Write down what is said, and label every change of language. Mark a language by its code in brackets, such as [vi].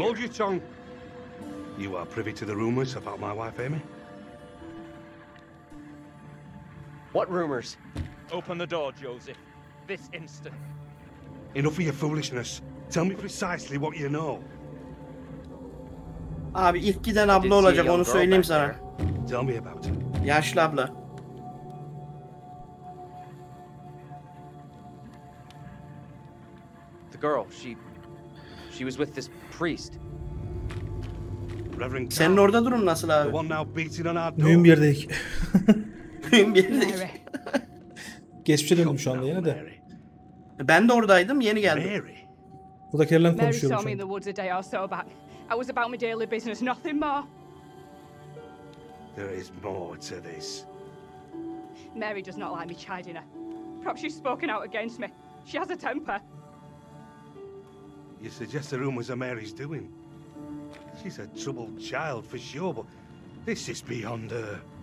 [en] Hold your tongue. You are privy to the rumors about my wife, Amy. What rumors? Open the door, Joseph. This instant. Enough of your foolishness. Tell me precisely what you know. [tr] Abi ilk giden abla olacak, onu söyleyeyim sana. [en] Tell me about it. [tr] Yaşlı abla. [en] The girl, she was with this priest. Reverend. [tr] Senin orada durum nasıl abi? [en] The one now beating on our door. [tr] Düğün bir yerdeyik. Düğün bir yerdeyik. Geçmişe döndüm şu anda yine de. Ben de oradaydım, yeni geldim. Bu da Kerlen konuşuyor şu an. [en] Mary saw me in the woods a day or so back. I was about my daily business, nothing more. There is more to this. Mary does not like me chiding her. Perhaps she's spoken out against me. She has a temper. You suggest the rumors are Mary's doing. She's a troubled child for sure, but this is beyond her.